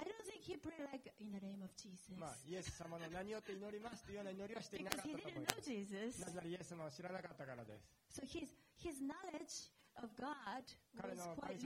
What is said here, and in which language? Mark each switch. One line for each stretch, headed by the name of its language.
English: I don't think he prayed like in the name of Jesus.
Japanese: まあイエス様の名によって祈りますというような祈りはしていなかったと思います。
English: Because he didn't know Jesus.
Japanese: なぜならイエス様を知らなかったからです。
English: So his knowledge of God was quite limited.